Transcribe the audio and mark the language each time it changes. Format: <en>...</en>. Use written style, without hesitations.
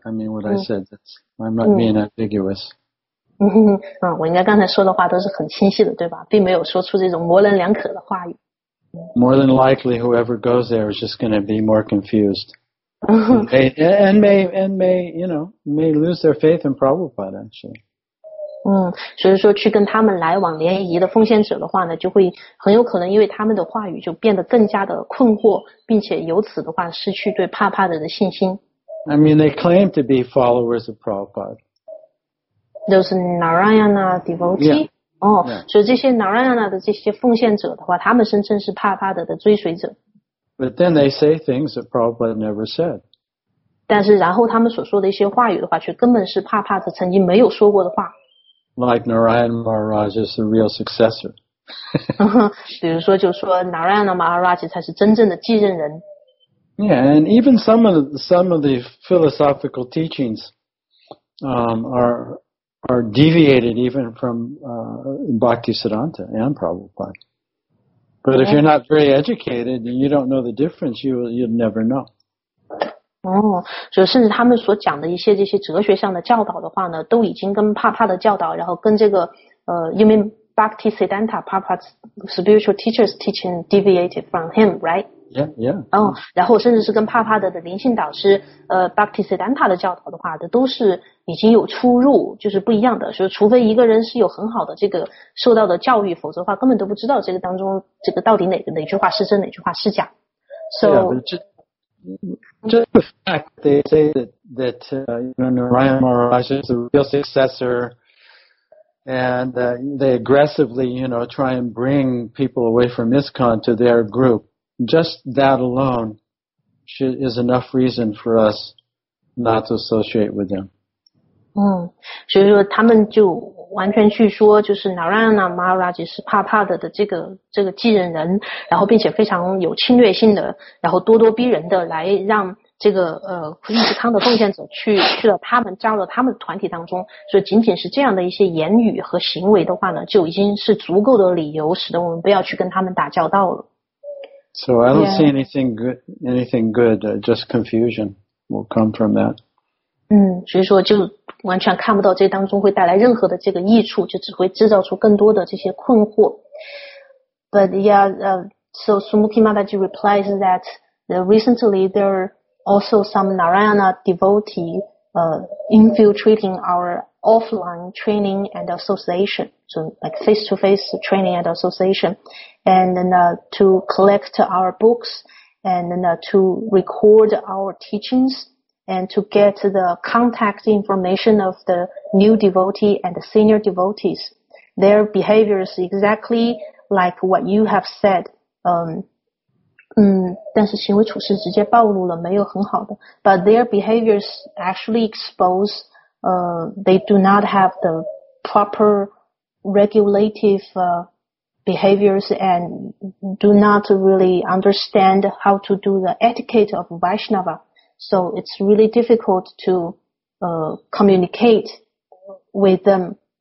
<en>I mean, what I said, I'm not being ambiguous.</en> <zh>我应该刚才说的话都是很清晰的，对吧？并没有说出这种模棱两可的话语。</zh> <en>more than likely whoever goes there is just going to be more confused. and may lose their faith in Prabhupada, actually.</en> <zh>所以说去跟他们来往联谊的奉献者的话呢，就会很有可能因为他们的话语就变得更加的困惑，并且由此的话失去对帕帕德的信心。</zh> <en>I mean, they claim to be followers of Prabhupada. Those Narayana devotees? Yeah. Oh, yeah.</en> <zh>所以这些 Narayana 的这些奉献者的话，他们声称是帕帕德的追随者。</zh> <en>But then they say things that Prabhupada never said.</en> <zh>但是然后他们所说的一些话语的话，却根本是帕帕德曾经没有说过的话。</zh> <en>Like Narayana Maharaj is the real successor.</en> <zh>比如说就说 Narayana Maharaj 才是真正的继任人。</zh> <en>Yeah, and even some of the philosophical teachings are deviated even from Bhaktisiddhanta and Prabhupada. But if you're not very educated and you don't know the difference, you'll never know.</en> <zh>所以甚至他们所讲的一些这些哲学上的教导的话呢，都已经跟帕帕的教导，然后跟这个因为 Bhaktisiddhanta</zh> <en>Prabhupada's spiritual teachers teaching deviated from him, right? Yeah, yeah.</en> <zh>然后甚至是跟帕帕德的灵性导师Bhaktisiddhanta 的教导的话的都是已经有出入，就是不一样的。所以除非一个人是有很好的这个受到的教育，否则的话根本都不知道这个当中这个到底哪句话是真，哪句话是假。</zh> <en>So, yeah, but just the fact they say that Narayana Maharaj is the real successor, and they aggressively, you know, try and bring people away from ISKCON to their group. Just that alone is enough reason for us not to associate with them.</en> <zh>所以说他们就完全去说就是 Narayana Maharaj 是帕帕德的这个继任人，然后并且非常有侵略性的，然后咄咄逼人的来让这个伊斯康的奉献者去了他们加入了他们的团体当中，所以仅仅是这样的一些言语和行为的话呢，就已经是足够的理由使得我们不要去跟他们打交道了。</zh> <en>So I don't see anything good, just confusion will come from that.</en> <zh>所以说就完全看不到这当中会带来任何的这个益处，就只会制造出更多的这些困惑。</zh> <en>But yeah, so Sumukhi Mataji replies that recently there are also some Narayana devotee infiltrating our offline training and association. So like face-to-face training and association. And then, to collect our books and then, to record our teachings and to get the contact information of the new devotee and the senior devotees. Their behavior is exactly like what you have said.</en> <zh>但是行为处事直接暴露了没有很好的。</zh> <en>But their behaviors actually expose, they do not have the proper regulative, behaviors and do not really understand how to do the etiquette of Vaishnava. So it's really difficult to communicate with them.</en>